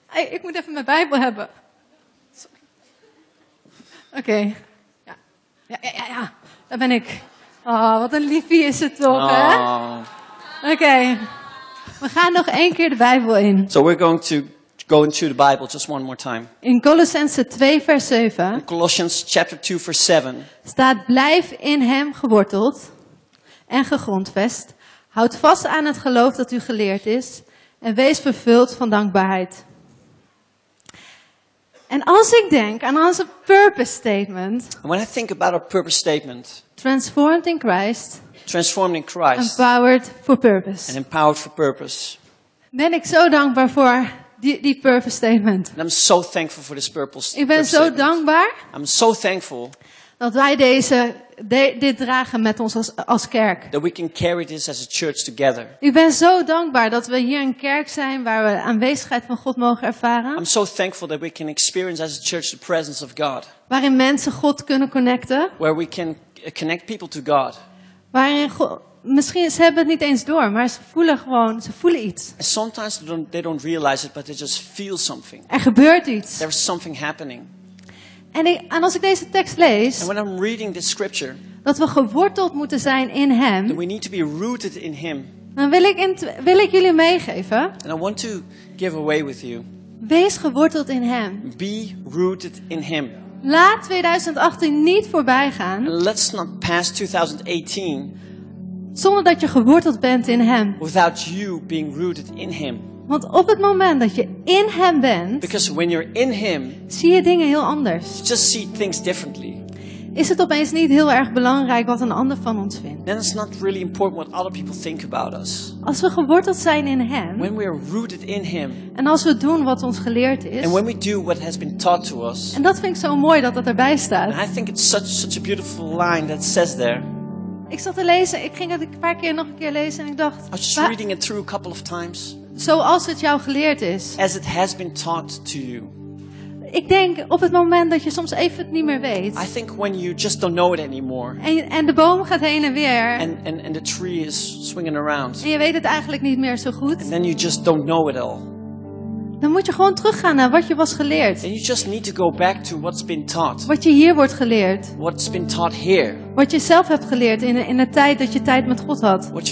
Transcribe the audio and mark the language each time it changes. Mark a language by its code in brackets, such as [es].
[nl] Ik moet even mijn Bijbel hebben. Oké. [en] Okay. [nl] Ja, daar ben ik. Oh, wat een liefie is het toch, hè? [en] Okay. [nl] We gaan nog één keer de Bijbel in. [en] So we're going to go into the Bible just one more time. [nl] In Colossense 2 vers 7. [en] In Colossians chapter 2 verse 7. [nl] Staat: blijf in hem geworteld en gegrondvest. Houd vast aan het geloof dat u geleerd is en wees vervuld van dankbaarheid. En als ik denk aan onze purpose statement. [en] When I think about our purpose statement. Transformed in Christ. Transformed in Christ. Empowered for purpose. And empowered for purpose. [nl] Ben ik zo dankbaar voor die purpose statement. [en] And I'm so thankful for this purpose. [nl] Ik ben zo dankbaar. [en] I'm so thankful. [nl] Dat wij dit dragen met ons als kerk. [en] That we can carry this as a church together. [nl] Ik ben zo dankbaar dat we hier een kerk zijn waar we aanwezigheid van God mogen ervaren. [en] I'm so thankful that we can experience as a church the presence of God. [nl] Waarin mensen God kunnen connecten. [en] Where we can connect people to God. [nl] Waarin God, misschien ze hebben het niet eens door, maar ze voelen gewoon, ze voelen iets. [en] And sometimes they don't realize it, but they just feel something. [nl] Er gebeurt iets. [en] There's something happening. [nl] En als ik deze tekst lees, [en] and when I'm reading this scripture, [nl] dat we geworteld moeten zijn in hem, [en] we need to be rooted in him. [nl] Dan wil ik jullie meegeven. [en] And I want to give away with you. [nl] Wees geworteld in hem. [en] Be rooted in him. [nl] Laat 2018 niet voorbij gaan. [en] Let's not pass 2018. [nl] Zonder dat je geworteld bent in Hem. [en] Without you being rooted in Him. [nl] Want op het moment dat je in Hem bent, [en] because when you're in Him, [nl] zie je dingen heel anders. [en] You just see things differently. [nl] Is het opeens niet heel erg belangrijk wat een ander van ons vindt? [en] Then it's not really important what other people think about us. [nl] Als we geworteld zijn in Hem, [en] when we are rooted in Him, [nl] en als we doen wat ons geleerd is, [en] and when we do what has been taught to us, [nl] en dat vind ik zo mooi dat dat erbij staat. [en] And I think it's such a beautiful line that says there. [nl] Ik zat te lezen, ik ging het een paar keer nog een keer lezen en ik dacht, [en] I was just reading it through a couple of times. [nl] Zoals het jou geleerd is. [en] As it has been taught to you. [nl] Ik denk op het moment dat je soms even het niet meer weet. [en] I think when you just don't know it anymore. [nl] En de boom gaat heen en weer. [en] And the tree is swinging around. [nl] En je weet het eigenlijk niet meer zo goed. [en] And then you just don't know it all. [nl] Dan moet je gewoon teruggaan naar wat je was geleerd. [en] And you just need to go back to what's been taught. [nl] Wat je hier wordt geleerd. [en] What's been taught here. [nl] Wat je zelf hebt geleerd in de tijd dat je tijd met God had.